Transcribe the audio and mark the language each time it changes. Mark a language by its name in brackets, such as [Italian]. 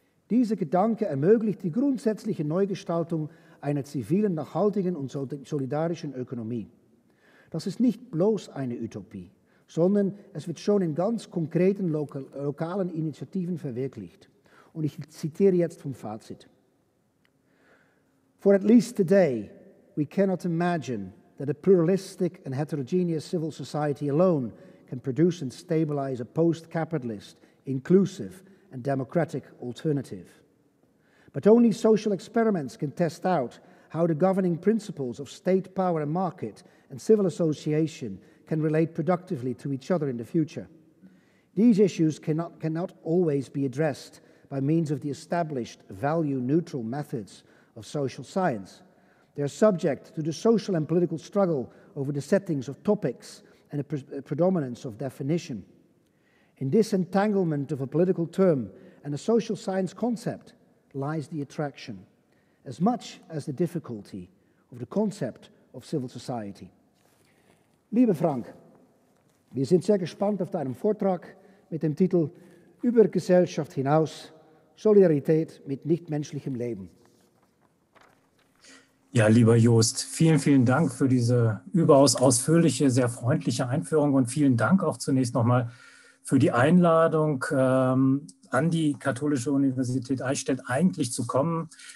[German] Dieser Gedanke ermöglicht die grundsätzliche Neugestaltung einer zivilen, nachhaltigen und solidarischen Ökonomie. Das ist nicht bloß eine Utopie, sondern es wird schon in ganz konkreten lokalen Initiativen verwirklicht. Und ich zitiere jetzt vom Fazit. [English] For at least today, we cannot imagine that a pluralistic and heterogeneous civil society alone can produce and stabilize a post-capitalist, inclusive and democratic alternative. But only social experiments can test out how the governing principles of state power and market and civil association can relate productively to each other in the future. These issues cannot always be addressed by means of the established value-neutral methods of social science. They are subject to the social and political struggle over the settings of topics and the predominance of definition. In this entanglement of a political term and a social science concept lies the attraction, as much as the difficulty of the concept of civil society. [German] Liebe Frank, wir sind sehr gespannt auf deinen Vortrag mit dem Titel Über Gesellschaft hinaus, Solidarität mit nichtmenschlichem Leben. Ja, lieber Jost, vielen, vielen Dank für diese überaus ausführliche, sehr freundliche Einführung und vielen Dank auch zunächst nochmal für die Einladung an die Katholische Universität Eichstätt eigentlich zu kommen.